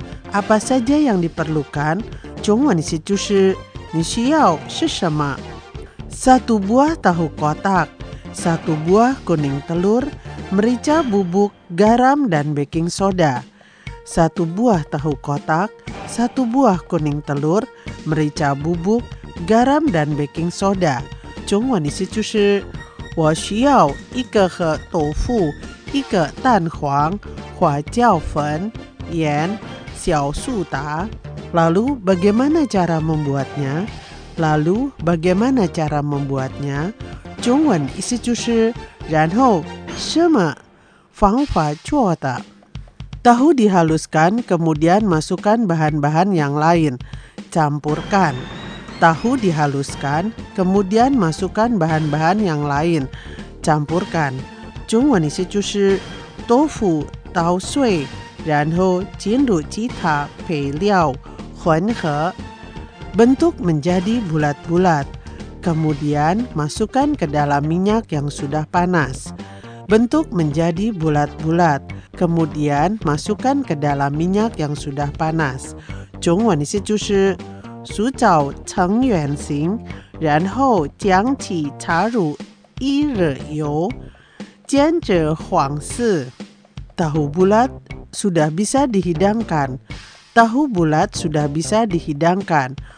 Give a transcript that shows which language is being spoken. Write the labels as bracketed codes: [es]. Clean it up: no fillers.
[id] Apa saja yang diperlukan? [zh] 中文意思就是你需要是什么。 [id] Satu buah tahu kotak, satu buah kuning telur, merica bubuk, garam, dan baking soda. Satu buah tahu kotak, satu buah kuning telur, merica bubuk, garam, dan baking soda. [zh] 中文意思就是，我需要一个盒豆腐，一个蛋黄，花椒粉，盐，小苏打。 [id] Lalu bagaimana cara membuatnya? Lalu bagaimana cara membuatnya? [zh] 中文意思就是然后什么方法做的。 [id] Tahu dihaluskan kemudian masukkan bahan-bahan yang lain. Campurkan. Tahu dihaluskan kemudian masukkan bahan-bahan yang lain. Campurkan. [zh] 中文意思就是豆腐捣碎然后进入其他配料混合。 [id] Bentuk menjadi bulat-bulat. Kemudian masukkan ke dalam minyak yang sudah panas. Bentuk menjadi bulat-bulat. Kemudian masukkan ke dalam minyak yang sudah panas. [zh] 中文意思就是塑造成圆形，然后将其插入一热油，煎至黄色。 [id] Tahu bulat sudah bisa dihidangkan. Tahu bulat sudah bisa dihidangkan.